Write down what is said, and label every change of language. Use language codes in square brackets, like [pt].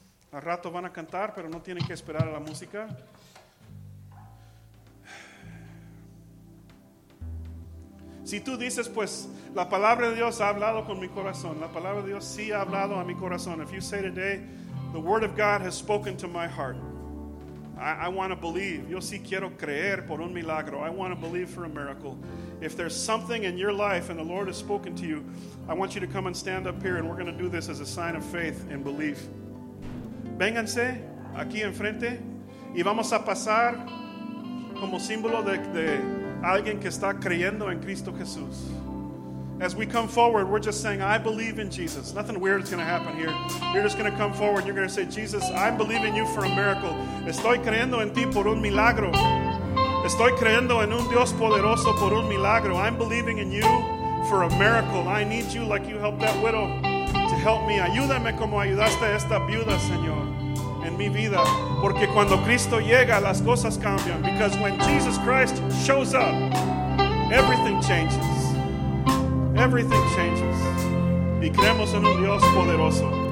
[es] Al rato van a cantar, pero no tienen que esperar a la música. Si tú dices, pues, la palabra de Dios ha hablado con mi corazón. La palabra de Dios sí ha hablado a mi corazón. [en] If you say today, the word of God has spoken to my heart. I want to believe. [es] Yo sí quiero creer por un milagro. [en] I want to believe for a miracle. If there's something in your life and the Lord has spoken to you, I want you to come and stand up here, and we're going to do this as a sign of faith and belief. [es] Vénganse aquí enfrente y vamos a pasar como símbolo de alguien que está creyendo en Cristo Jesús. [en] As we come forward, we're just saying, I believe in Jesus. Nothing weird is going to happen here. You're just going to come forward. You're going to say, Jesus, I believe in you for a miracle. [es] Estoy creyendo en ti por un milagro. Estoy creyendo en un Dios poderoso por un milagro. [en] I'm believing in you for a miracle. I need you like you helped that widow to help me. [es] Ayúdame como ayudaste a esta viuda, Señor, en mi vida. Porque cuando Cristo llega, las cosas cambian. [en] Because when Jesus Christ shows up, everything changes. Everything changes. [es] Y creemos en un Dios poderoso.